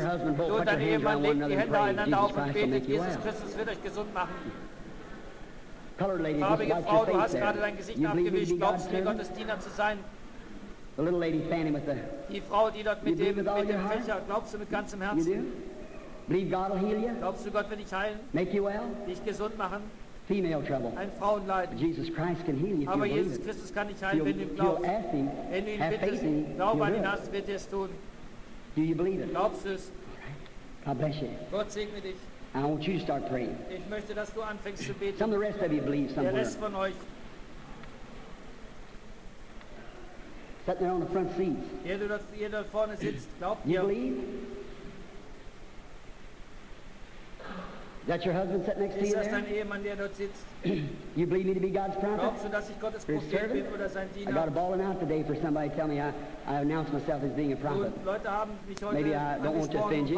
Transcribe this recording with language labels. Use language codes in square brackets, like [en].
[en] Your husband, both. Put your hands around one another and pray. Jesus Christ will make you well. [de] Jesus Christus wird euch gesund machen. [en] Colored lady, [de] farbige Frau, du hast [en] there. [de] Gerade dein Gesicht abgewischt. Glaubst du mir, Gottes Diener zu sein? [en] The little lady standing with the. [de] Die Frau, die dort mit dem Fächer, glaubst du mit ganzem Herzen? [en] Believe God will heal you? [de] Glaubst du, Gott wird dich heilen? [en] Make you well? [de] Dich gesund machen? [en] Female trouble. [de] Ein Frauenleid. [en] Jesus Christ can heal you. [de] Aber Jesus Christus kann dich heilen, wenn du glaubst. Wenn du ihn bittest, glaub an ihn, wird er es tun. [en] Do you believe it? [de] Glaubst du es? [en] God bless you. [de] Gott segne dich. [en] I want you to start praying. [de] Ich möchte, dass du anfängst zu beten. [en] Some of the rest of you believe somewhere. [de] Der Rest von euch. [en] Sitting there on the front seat. [de] Ihr, du da vorne sitzt, glaubt [en] you [de] ihr. [en] Believe? Is that your husband sitting next [de] ist [en] to you [de] das [en] there? [de] Dein Ehemann, der dort sitzt? [en] You believe me to be God's prophet? [de] Glaubst du, dass ich Gottes Prophet bin oder sein Diener? [en] I got a balling out today for somebody to tell me I announced myself as being a prophet. [de] Leute haben mich heute [en] Maybe I don't want to offend you.